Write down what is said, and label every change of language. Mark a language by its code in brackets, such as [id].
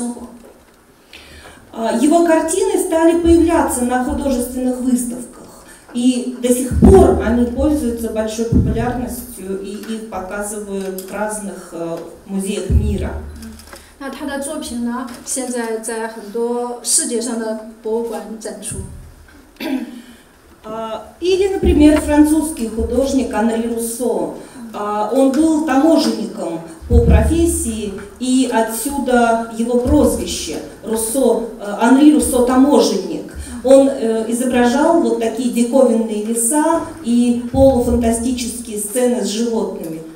[zh] 那我们可以看到，这是一个比较有代表性的这个原始主义的画家，是格鲁吉亚的一个画家，叫尼克比罗斯曼。那他的作品呢，基本上就是在自己的旅行过程当中，然后在一些小酒馆，画的一些比较有特色的当地人的生活。 [ru] Его картины стали появляться на художественных выставках, и до сих пор они пользуются большой популярностью и их показывают в разных музеях мира. [zh] 那他的作品呢，现在在很多世界上的博物馆展出。 [ru] Или, например, французский художник Анри Руссо. Он был таможенником по профессии, и отсюда его прозвище Руссо, Анри Руссо таможенник. Он изображал вот такие диковинные леса и полуфантастические сцены с животными.